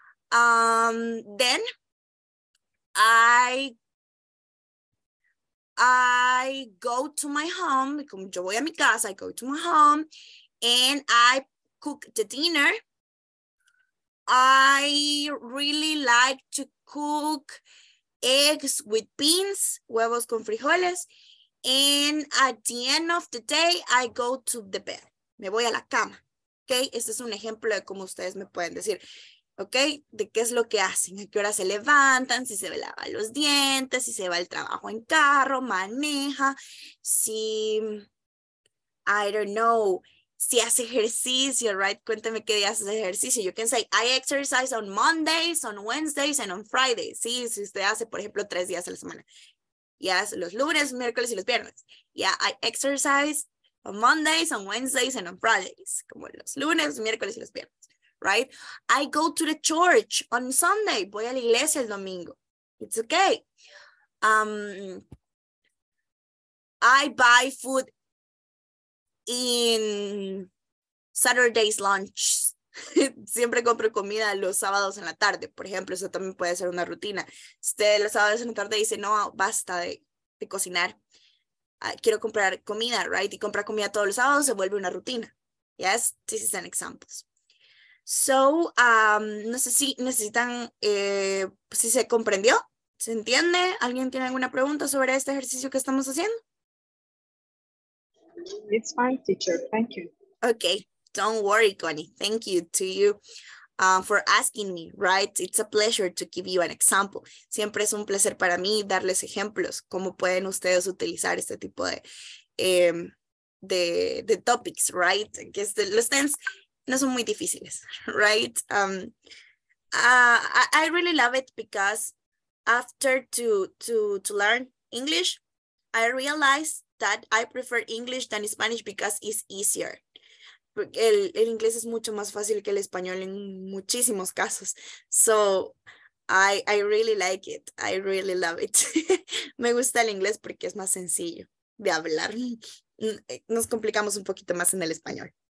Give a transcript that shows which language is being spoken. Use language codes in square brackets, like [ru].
[en] Then I go to my home, [es] como yo voy a mi casa, [en] I go to my home, and I cook the dinner. I really like to cook eggs with beans, [es] huevos con frijoles. [en] And at the end of the day, I go to the bed. [es] Me voy a la cama. Okay, este es un ejemplo de cómo ustedes me pueden decir, okay, de qué es lo que hacen, a qué hora se levantan, si se lava los dientes, si se va al trabajo en carro, maneja, si [en] I don't know, [es] si hace ejercicio, right? Cuéntame qué día haces ejercicio. [en] You can say, I exercise on Mondays, on Wednesdays, and on Fridays. [es] Sí, si usted hace, por ejemplo, 3 días a la semana. Yes, los lunes, miércoles y los viernes. [en] Yeah, I exercise on Mondays, on Wednesdays, and on Fridays. [es] Como los lunes, miércoles y los viernes, [en] right? I go to the church on Sunday. [es] Voy a la iglesia el domingo. [en] It's okay. I buy food in Saturday's lunch. [es] Siempre compro comida los sábados en la tarde. Por ejemplo, eso también puede ser una rutina. Usted los sábados en la tarde dice, no, basta de cocinar. Quiero comprar comida, right? Y comprar comida todos los sábados se vuelve una rutina. [en] Yes, this is an example. [es] So, no sé si necesitan, si se comprendió, ¿se entiende? ¿Alguien tiene alguna pregunta sobre este ejercicio que estamos haciendo? [en] It's fine, teacher. Thank you. Okay. Don't worry, Connie. Thank you to you for asking me, right? It's a pleasure to give you an example. [es] Siempre es un placer para mí darles ejemplos cómo pueden ustedes utilizar este tipo de topics, right? Que los tens no son muy difíciles, right? [en] I really love it because after to learn English, I realized that I prefer English than Spanish because it's easier. [es] El inglés es mucho más fácil que el español en muchísimos casos. [en] So, I really like it. I really love it. [es] Me gusta el inglés porque es más sencillo de hablar. Nos complicamos un poquito más en el español.